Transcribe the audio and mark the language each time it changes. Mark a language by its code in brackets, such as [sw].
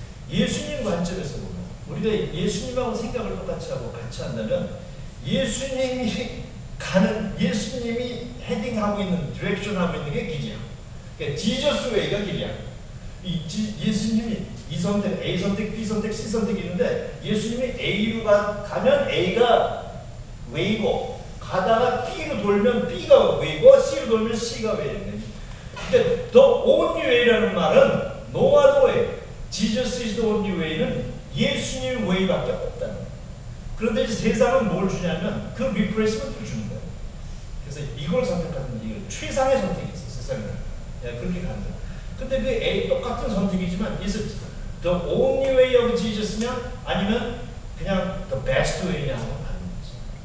[ko] 예수님 관점에서 보면 우리가 예수님하고 생각을 똑같이 하고 같이 한다면 예수님이 가는 예수님이 헤딩하고 있는 디렉션 하고 있는 게 길이야. 그러니까 지저스 웨이가 길이야. 예수님이 이 선택 A 선택 B 선택 C 선택이 있는데 예수님이 A로 가면 A가 웨이고 가다가 B로 돌면 B가 웨이고 C로 돌면 C가 웨이네. 근데 [en] The only way [ko] 라는 말은 [en] No other way. Jesus is the only way [ko] 는 예수님 way밖에 없다는 거예요. 그런데 이제 세상은 뭘 주냐면 그 리프레시먼트를 주는 거예요. 그래서 이걸 선택하는 이 최상의 선택이 있어요. 세상은. 네, 그렇게 간다. 근데 그 A 똑같은 선택이지만 [en] Is it the only way of Jesus [ko] 냐 아니면 그냥 [en] the best way [ko] 냐 하고 하는 거죠.